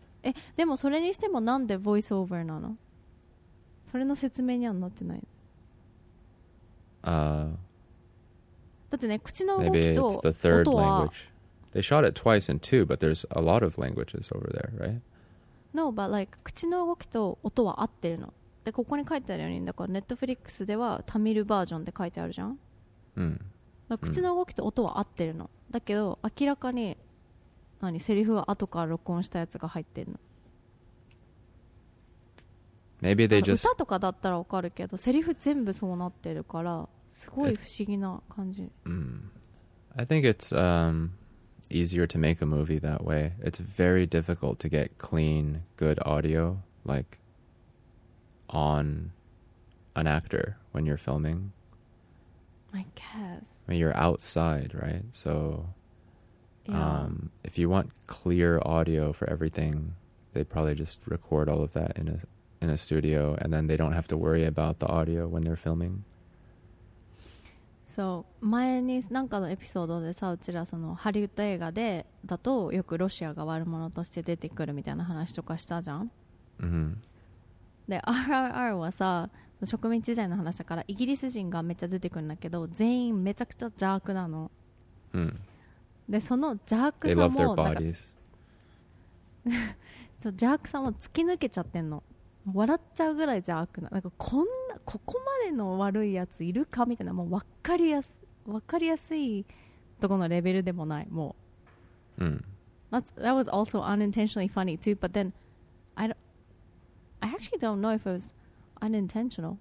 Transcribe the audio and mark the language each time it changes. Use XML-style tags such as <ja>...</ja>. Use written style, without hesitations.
<ja>え、でもそれにしてもなんでボイスオーバーなの?それの説明にはなってない。だってね、口の動きと音は。</ja> <en>Maybe it's the third language. They shot it twice in two, but there's a lot of languages over there, right? No, but like,</en> <ja>口の動きと音は合ってるの。で、ここに書いてあるように、だから Netflix ではタミルバージョンって書いてあるじゃん。 Mm. だから口の動きと音は合ってるの。だけど、明らかに、何、セリフが後から録音したやつが入ってるの。</ja> <en>Maybe they just...</en> <ja>歌とかだったらわかるけど、セリフ全部そうなってるから、すごい不思議な感じ。</ja> <en>I think it's easier to make a movie that way. It's very difficult to get clean, good audio, like, on an actor when you're filming. I guess. I mean, you're outside, right? So, yeah. If you want clear audio for everything, they probably just record all of that in a studio, and then they don't have to worry about the audio when they're filming.</en> <ja>そう、前になんかのエピソードでさ、うちらそのハリウッド映画でだとよくロシアが悪者として出てくるみたいな話とかしたじゃん。うん。で、RRR はさ、植民地時代の話だからイギリス人がめっちゃ出てくるんだけど、全員めちゃくちゃ邪悪なの。うん。で、その邪悪さも、</ja> <en>They love their bodies.</en> <ja>そう、邪悪さも突き抜けちゃってんの。笑っちゃうぐらい邪悪な、なんかこんなここまでの悪いやついるかみたいな、もう分かりやすいとこのレベルでもない、もう。</ja> <en>That was also unintentionally funny too, but then I actually don't know if it was unintentional.</en>